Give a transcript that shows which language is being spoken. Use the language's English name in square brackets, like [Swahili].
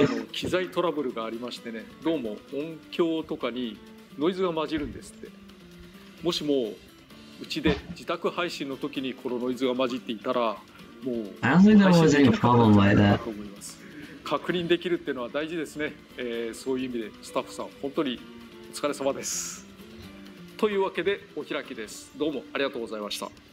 [Japanese] 機材トラブルがありましてね。どうも音響とかにノイズが混じるんですって。もしもうちで自宅配信の時にこのノイズが混じっていたら。 [English] I don't think there was any problem like that. [Japanese] 確認できるっていうのは大事ですね。そういう意味でスタッフさん本当にお疲れ様です。というわけでお開きです。どうもありがとうございました。